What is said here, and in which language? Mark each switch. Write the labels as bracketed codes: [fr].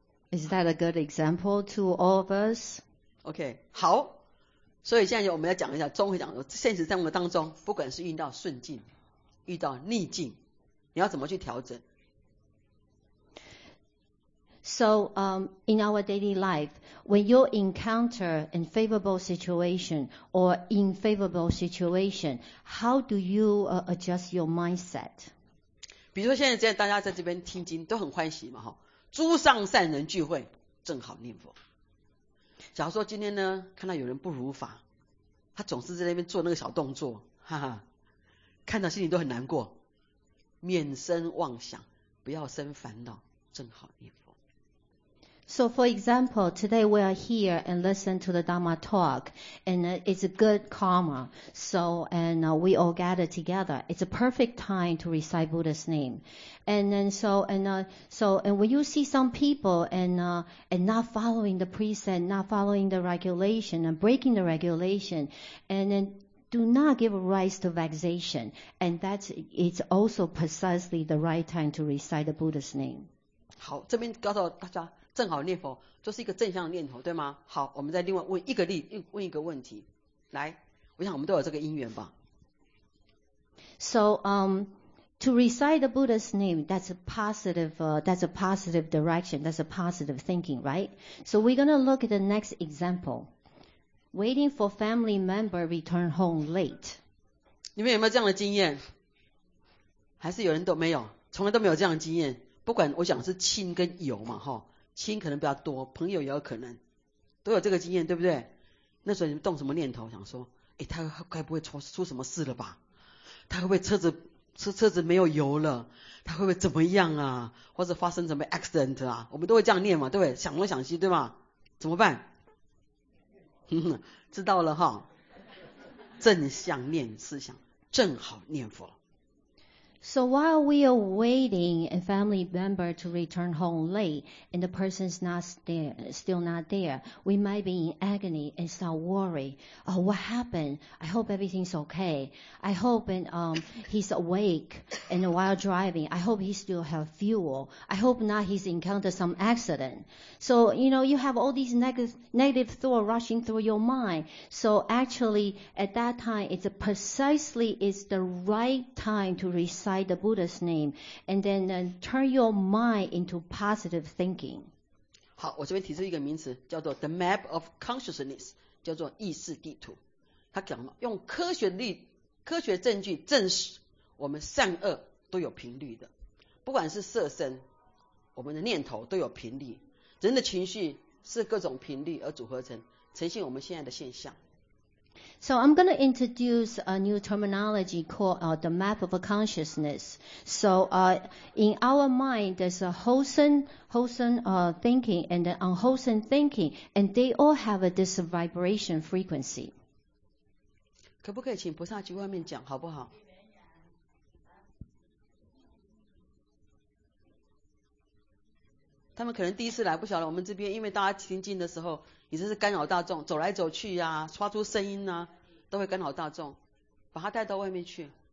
[en] Is that a good example to all of us? [zh] Okay, 好。所以现在我们要讲一下，综合讲说，现实生活当中，不管是遇到顺境，遇到逆境，你要怎么去调整？ [en] So, in our daily life, when you encounter an favorable situation or unfavorable situation, how do you adjust your mindset? [zh] 比如说现在这样，大家在这边听经都很欢喜嘛，哈。诸上善人聚会，正好念佛。假如说今天呢，看到有人不如法，他总是在那边做那个小动作，哈哈，看到心里都很难过，免生妄想，不要生烦恼，正好念佛。 [en] So for example, today we are here and listen to the Dharma talk, and it's a good karma. So, and we all gather together. It's a perfect time to recite Buddha's name. And then so, and when you see some people and not following the precept, not following the regulation and breaking the regulation, and then do not give rise to vexation, and that it's also precisely the right time to recite the Buddha's name. [zh] 好，这边告诉大家，正好念佛就是一个正向念头，对吗？好，我们再另外问一个例，问一个问题，来，我想我们都有这个因缘吧。 [en] So, to recite the Buddha's name, that's a positive, that's a positive direction, that's a positive thinking, right? So we're gonna look at the next example. Waiting for family member return home late. [zh] 你们有没有这样的经验？还是有人都没有，从来都没有这样的经验？不管我讲是亲跟友嘛，哈，亲可能比较多，朋友也有可能，都有这个经验，对不对？那时候你们动什么念头？想说，哎，他该不会出什么事了吧？他会不会车子没有油了？他会不会怎么样啊？或者发生什么 accident 啊？我们都会这样念嘛，对不对？想东想西，对吗？怎么办？知道了哈，正向念思想，正好念佛。 [en] So while we are waiting a family member to return home late and the person's still not there, we might be in agony and start worry. Oh, what happened? I hope everything's okay. I hope he's awake and while driving. I hope he still have fuel. I hope not he's encountered some accident. So, you know, you have all these negative thoughts rushing through your mind. So actually, at that time, it's the right time to recite the Buddha's name, and then turn your mind into positive thinking. [zh] 好，我这边提出一个名词，叫做 [en] the map of consciousness, [zh] 叫做意识地图。他讲了，用科学证据证实我们善恶都有频率的，不管是色身，我们的念头都有频率，人的情绪是各种频率而组合成，呈现我们现在的现象。 [en] So I'm going to introduce a new terminology called the map of consciousness. So in our mind, there's a wholesome thinking and an unwholesome thinking, and they all have this vibration frequency. [zh] 可不可以请菩萨去外面讲好不好？他们可能第一次来，不晓得我们这边，因为大家听经的时候，你这是干扰大众，走来走去呀，发出声音啊，都会干扰大众，把他带到外面去。